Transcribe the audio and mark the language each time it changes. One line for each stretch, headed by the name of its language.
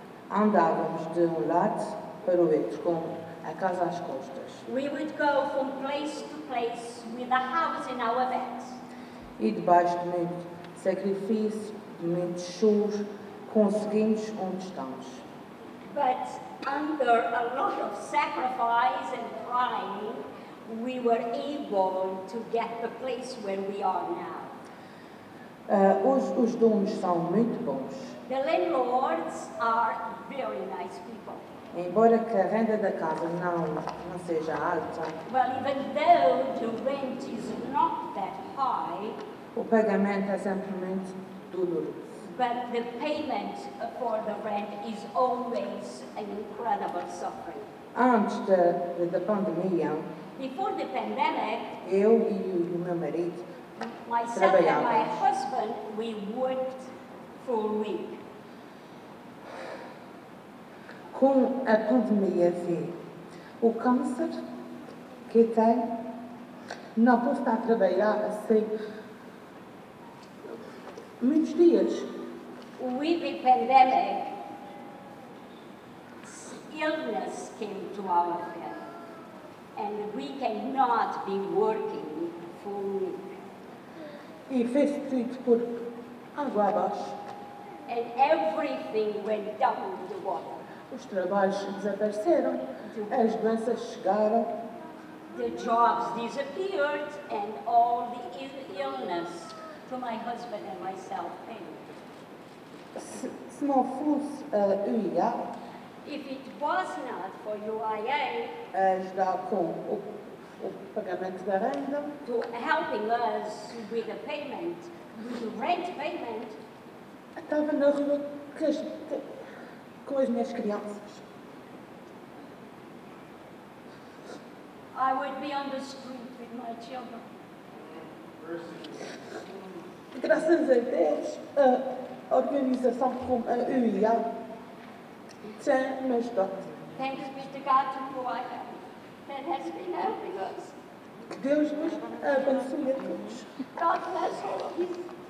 Portuguese: andávamos de um lado para o outro com a casa às costas.
English: We would go from place to place with a house in our backs.
Portuguese: E debaixo de muito sacrifício, de muitos choros, conseguimos onde estamos.
English: But under a lot of sacrifice and crying, we were able to get the place where we are now.
Portuguese: Os donos são muito bons.
English: The landlords are very nice people.
Portuguese: Embora que a renda da casa não seja alta,
English: well, even though the rent is not that high,
Portuguese: o pagamento é simplesmente doloroso.
English: But the payment for the rent is always an incredible suffering.
Portuguese: Antes da pandemia,
English: before the pandemic,
Portuguese: eu e o meu marido,
English: myself and my husband, we worked for a week.
Portuguese: Com a pandemia vem o câncer que tem, não pude estar a trabalhar assim muitos dias.
English: With the pandemic, illness came to our family, and we cannot be working for a week.
Portuguese: E fez tudo por água abaixo.
English: And everything went down the water.
Portuguese: Os trabalhos desapareceram, as doenças chegaram.
English: The jobs disappeared and all the illness to my husband and myself came.
Portuguese: Se não fosse a UIA,
English: if it was not for UIA,
Portuguese: ajudar com o pagamento da renda,
English: to helping us with the payment, with the rent payment,
Portuguese: estava na rua que este, com as minhas crianças.
English: I would be on the street with my children.
Portuguese: Graças a Deus, a organização como a UIA tem me ajudado.
English: Thanks be to God to UIA that has been helping us.
Portuguese: Que Deus nos abençoe a todos.
English: God bless all of you.